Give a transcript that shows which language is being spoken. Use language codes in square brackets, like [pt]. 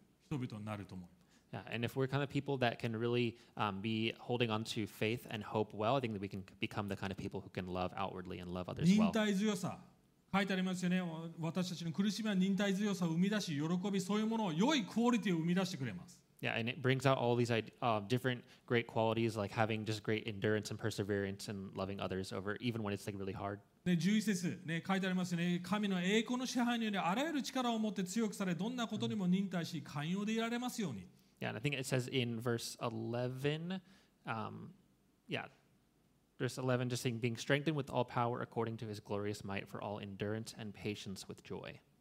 [en] And if we're kind of people that can really be holding on to faith and hope well, I think that we can become the kind of people who can love outwardly and love others well. [ja] 書いてありますよね。私たちの苦しみは忍耐強さを生み出し、喜び、そういうものを良いクオリティを生み出してくれます。 [en] Yeah, and it brings out all these different great qualities, like having just great endurance and perseverance and loving others over, even when it's like really hard. [ja] 11節、書いてありますよね。神の栄光の支配によりあらゆる力を持って強くされ、どんなことにも忍耐し、寛容でいられますように。 [en] Yeah, and I think it says in verse 11, just saying, being strengthened with all power according to his glorious might for all endurance and patience with joy.